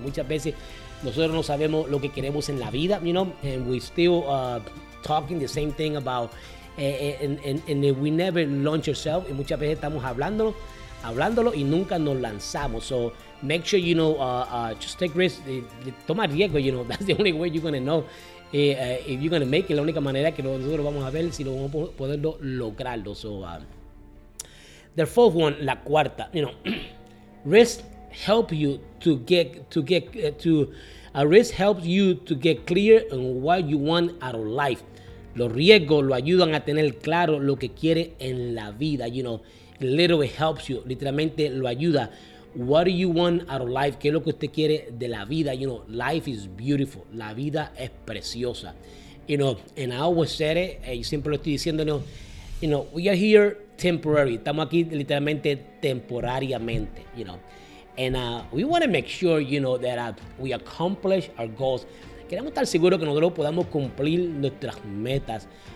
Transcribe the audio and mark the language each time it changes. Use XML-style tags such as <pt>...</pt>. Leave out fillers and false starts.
<es>Y muchas veces nosotros no sabemos lo que queremos en la vida,</es> <en>you know. And we still talking the same thing about, and we never launch ourselves.</en> <es>Y muchas veces estamos hablándolo y nunca nos lanzamos.</es> <en>So make sure, you know, just take risks.</en> <es>Toma riesgo,</es> <en>you know. That's the only way you're gonna know. If you're gonna make it,</en> <es>la única manera que nosotros vamos a ver si lo vamos a poder lograrlo.</es> <en>So the fourth one,</en> <es>la cuarta,</es> <en>you know, risk helps you to get clear on what you want out of life.</en> <es>Los riesgos lo ayudan a tener claro lo que quiere en la vida,</es> <en>you know. Literally helps you,</en> <es>literalmente lo ayuda.</es> <en>What do you want out of life?</en> <es>¿Qué es lo que usted quiere de la vida?</es> <en>You know, life is beautiful.</en> <es>La vida es preciosa.</es> <en>You know, and I always said it,</en> <es>y siempre lo estoy diciendo,</es> <en>you know, we are here temporary.</en> <es>Estamos aquí literalmente temporariamente,</es> <en>you know. And we want to make sure, you know, that we accomplish our goals.</en> <es>Queremos estar seguros que nosotros podamos cumplir nuestras metas.</es>